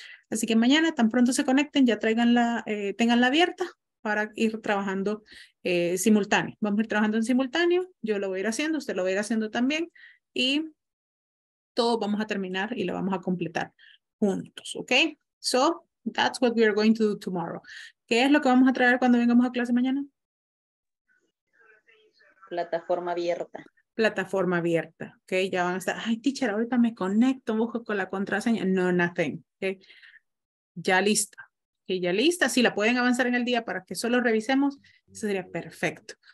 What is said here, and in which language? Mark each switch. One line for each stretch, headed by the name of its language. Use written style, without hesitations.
Spanish: Así que mañana, tan pronto se conecten, ya tráiganla, tenganla abierta para ir trabajando simultáneo. Vamos a ir trabajando en simultáneo, yo lo voy a ir haciendo, usted lo va a ir haciendo también, y todo vamos a terminar y lo vamos a completar juntos, ¿ok?
English: So, that's what we are going to do tomorrow.
Spanish: ¿Qué es lo que vamos a traer cuando vengamos a clase mañana? Plataforma abierta. Plataforma abierta, ¿ok? Ya van a estar, ay, teacher, ahorita me conecto, busco con la contraseña. No, nothing, ¿ok? Ya lista, que ya lista. Si la pueden avanzar en el día para que solo revisemos, eso sería perfecto.